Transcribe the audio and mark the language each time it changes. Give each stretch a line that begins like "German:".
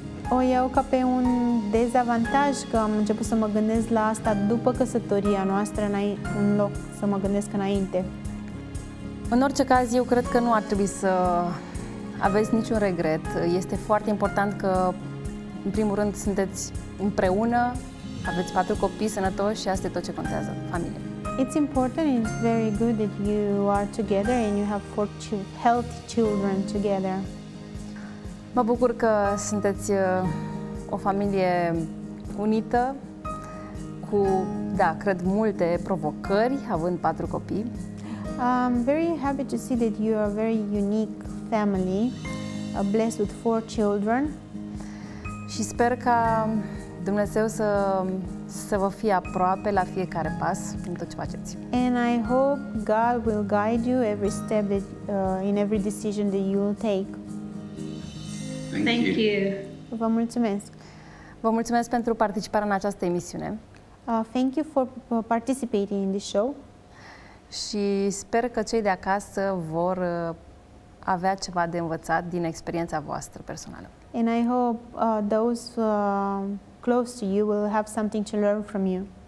Romanian: O iau ca pe un dezavantaj că am început să mă gândesc la asta după căsătoria noastră, în loc să mă gândesc înainte. În orice caz, eu cred că nu ar trebui să aveți niciun regret. Este foarte important că, în primul rând, sunteți împreună, aveți 4 copii sănătoși și asta e tot ce contează, familia.
English: It's important, it's very good that you are together and you have 4 healthy children together.
Romanian: Mă bucur că sunteți o familie unită, cu, da, cred, multe provocări, având 4 copii.
English: I'm very happy to see that you are a very unique family, blessed with 4 children.
Romanian: Și sper ca Dumnezeu să vă fie aproape la fiecare pas în tot ce faceți.
English: And I hope God will guide you every step that, in every decision that you will take. Thank you.
Romanian: Vă mulțumesc. Vă mulțumesc pentru participarea în această emisiune.
English: Thank you for participating in the show.
Romanian: Și sper că cei de acasă vor avea ceva de învățat din experiența voastră personală.
English: And I hope those close to you will have something to learn from you.